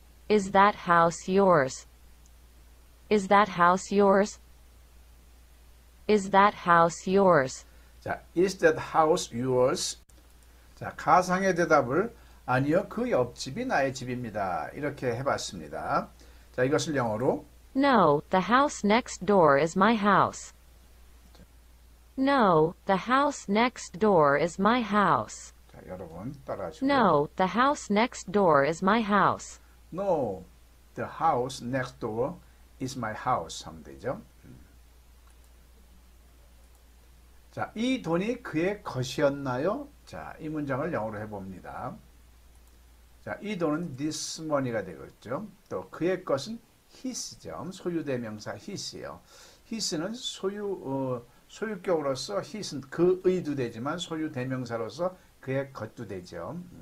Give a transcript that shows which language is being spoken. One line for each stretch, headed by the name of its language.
English: Is that house yours? Is that house yours? Is that house yours? 자, is that house yours?
Korean: 자, 가상의 대답을 아니요, 그 옆집이 나의 집입니다. 이렇게 해봤습니다. 자, 이것을 영어로.
English: No, the house next door is my house. No, the house next door is my house.
Korean: 자, 여러분, 따라 하시고요.
English: No, the house next door is my house. No, the house next door is my house.
Korean: 하면 되죠. 자, 이 돈이 그의 것이었나요? 자, 이 문장을 영어로 해봅니다. 자, 이 돈은
English: this money
Korean: 가 되겠죠. 또 그의 것은 his죠. 소유대명사 his요. his는 소유격으로서 his는 그의도 되지만 소유대명사로서 그의 것도 되죠.